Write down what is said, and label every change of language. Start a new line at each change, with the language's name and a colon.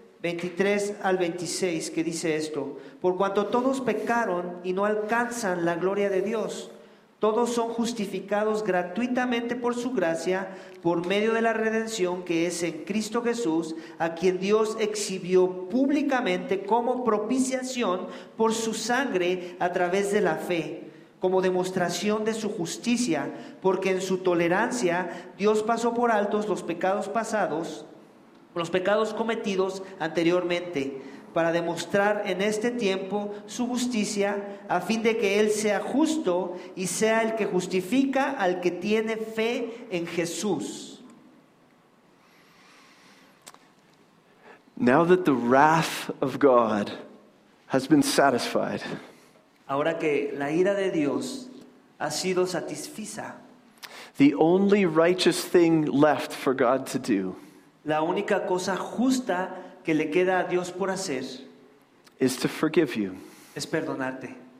Spanish: 23 al 26, que dice esto: por cuanto todos pecaron y no alcanzan la gloria de Dios, todos son justificados gratuitamente por su gracia, por medio de la redención que es en Cristo Jesús, a quien Dios exhibió públicamente como propiciación por su sangre a través de la fe, como demostración de su justicia, porque en su tolerancia Dios pasó por altos los pecados pasados, los pecados cometidos anteriormente, para demostrar en este tiempo su justicia, a fin de que Él sea justo y sea el que justifica al que tiene fe en Jesús.
English: Now that the wrath of God has been satisfied,
Spanish: ahora que la ira de Dios ha sido satisfecha,
English: the only righteous thing left for God to do,
Spanish: la única cosa justa que le queda a Dios por hacer,
English: is to forgive you.
Spanish: Es perdonarte.